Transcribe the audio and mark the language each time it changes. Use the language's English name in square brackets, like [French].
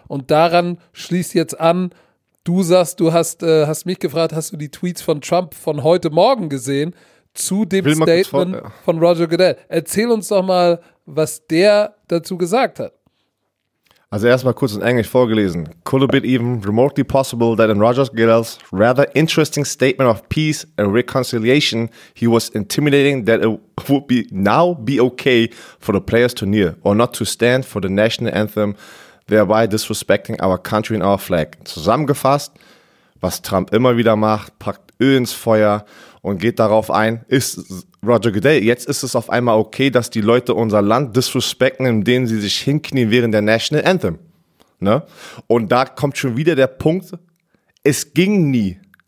[German] Und daran schließt jetzt an, du sagst, du hast mich gefragt, hast du die Tweets von Trump von heute Morgen gesehen zu dem Statement von Roger Goodell? Erzähl uns doch mal, was der dazu gesagt hat. Also erstmal kurz in Englisch vorgelesen. [English] Could it be even remotely possible that in Roger Goodell's rather interesting statement of peace and reconciliation, he was intimidating that it would be now be okay for the players to kneel or not to stand for the national anthem, thereby disrespecting our country and our flag. [German] Zusammengefasst, was Trump immer wieder macht, packt Öl ins Feuer und geht darauf ein, ist Roger Goodell, jetzt ist es auf einmal okay, dass die Leute unser Land disrespecten, indem sie sich hinknien während der National Anthem. Ne? Und da kommt schon wieder der Punkt, es ging nie.